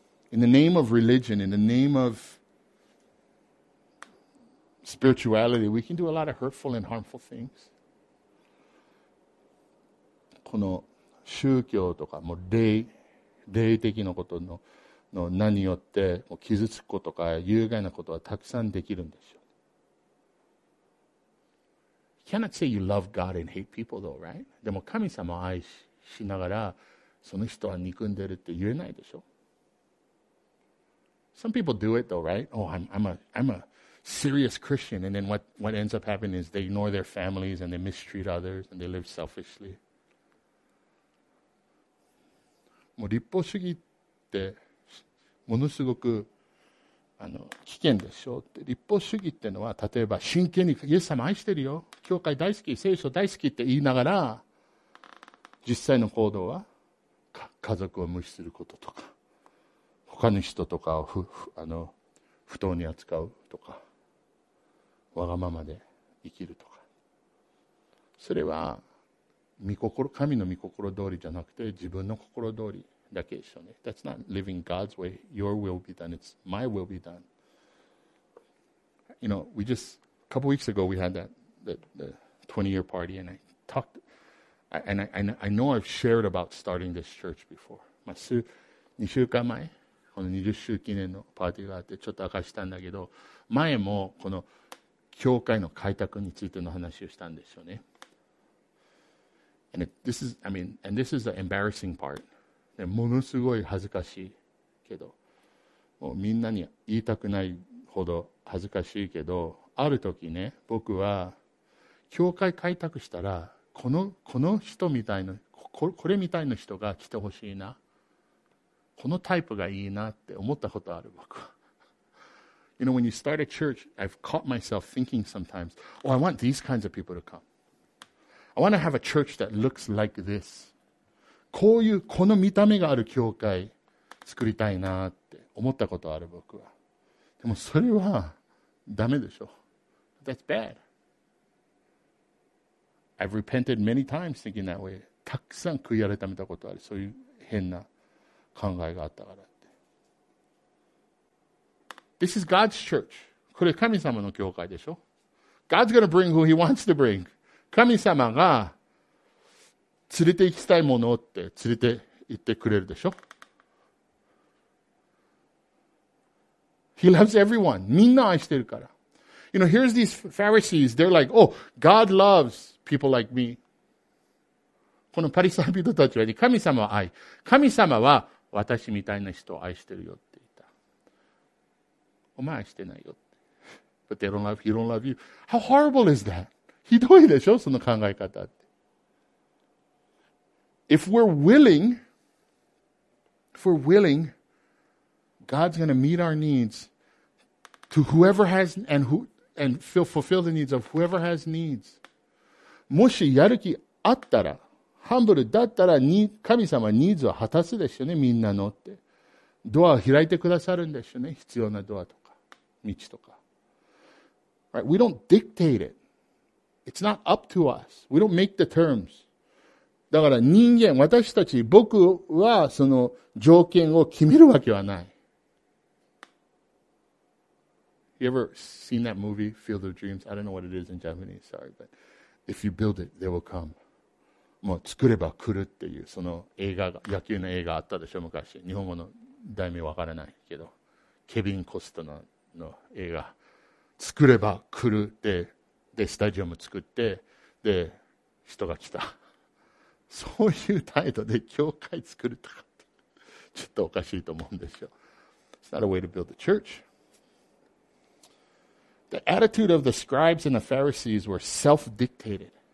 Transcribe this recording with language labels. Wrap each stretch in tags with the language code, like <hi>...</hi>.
<en>In the name of religion, in the name of spirituality, we can do a lot of hurtful and harmful things.</en> <ja>この宗教とか、もう霊的なことの、の何によって傷つくことか有害なことはたくさんできるんでしょう。</ja> <en>You cannot say you love God and hate people though, right?</en> <ja>でも神様を愛しながらその人は憎んでるって言えないでしょ。</ja> <en>Some people do it though, right? Oh, I'm a serious Christian, and then what ends up happening is they ignore their families and they mistreat others and they live selfishly.</en> <ja>もう立法主義ってものすごくあの危険でしょうって。立法主義っていうのは例えば真剣にイエス様愛してるよ、教会大好き、聖書大好きって言いながら、実際の行動は家族を無視することとか、他の人とかを不当に扱うとか、わがままで生きるとか、それは御心、神の御心通りじゃなくて自分の心通りだけでしょうね。</ja> <en>That's not living God's way. Your will be done. It's my will be done. You know, we just, a couple weeks ago we had the 20 year party and I talked, I know I've shared about starting this church before.</en> <ja>2週間前この20周記念のパーティーがあってちょっと明かしたんだけど、前もこの教会の開拓についての話をしたんでしょうね。</ja> <en>And this is, I mean, and this is the embarrassing part.</en> <ja>ものすごい恥ずかしいけど、もうみんなに言いたくないほど恥ずかしいけど、ある時ね、僕は教会開拓したら、この人みたいな、これみたいな人が来てほしいな、このタイプがいいなって思ったことある、僕は。</ja> <en>You know, when you start a church, I've caught myself thinking sometimes, oh, I want these kinds of people to come. I want to have a church that looks like this.</en> <ja>こういう、この見た目がある教会作りたいなって思ったことある、僕は。でもそれはダメでしょ。</ja> <en>That's bad. I've repented many times thinking that way.</en> <ja>たくさん悔い改めたことある。そういう変な考えがあったから。</ja> <en>This is God's church.</en> <ja>これ神様の教会でしょ。</ja> <en>God's going to bring who he wants to bring.</en> <ja>神様が連れて行きたいものって連れて行ってくれるでしょ。</ja> <en>He loves everyone.</en> <ja>みんな愛してるから。</ja> <en>You know, here's these Pharisees. They're like, oh, God loves people like me.</en> <ja>このパリサイ人たちは神様は愛、神様は私みたいな人を愛してるよ。お前してないよって。</ja> <en>But they don't love, he don't love you. How horrible is that?</en> <ja>ひどいでしょ、その考え方って。</ja> <en>If we're willing, God's going to meet our needs to whoever has, and fulfill the needs of whoever has needs.</en> <ja>もしやる気あったら、ハンブルだったら、神様は needs を果たすでしょね、みんなのって。ドアを開いてくださるんでしょね、必要なドアとか。道とか、</ja> <en>right? We don't dictate it. It's not up to us. We don't make the terms.</en> <ja>だから人間、私たち、僕はその条件を決めるわけはない。</ja> <en>You ever seen that movie, Field of Dreams? I don't know what it is in Japanese, sorry. But if you build it, they will come.</en> <ja>もう作れば来るっていう、その映画が、野球の映画あったでしょ、昔。日本語の題名わからないけど。ケビン・コストナー。の映画、作れば来るって、でスタジアム作って、で人が来た、そういう態度で教会作るとかってちょっとおかしいと思うんですよ。</ja> <en>It's not a way to build the church. The attitude of the scribes and the Pharisees were self-dictated.</en>